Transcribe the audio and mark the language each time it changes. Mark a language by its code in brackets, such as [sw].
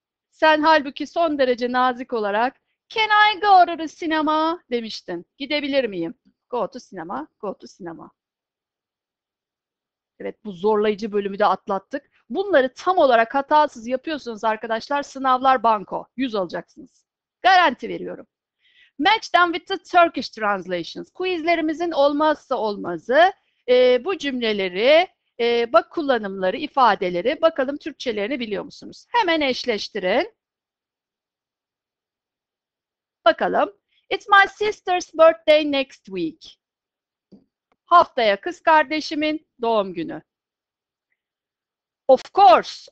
[tr] Sen halbuki son derece nazik olarak [en] Can I go to the cinema? [tr] Demiştin. Gidebilir miyim? [en] Go to cinema, go to cinema. [tr] Evet, bu zorlayıcı bölümü de atlattık. Bunları tam olarak hatasız yapıyorsunuz arkadaşlar. Sınavlar banko. 100 alacaksınız. Garanti veriyorum. [en] Match them with the Turkish translations. [tr] Quizlerimizin olmazsa olmazı bu cümleleri, bak kullanımları, ifadeleri, bakalım Türkçelerini biliyor musunuz? Hemen eşleştirin. Bakalım. [en] It's my sister's birthday next [tr] haftaya kız kardeşimin doğum günü. [en] Of course.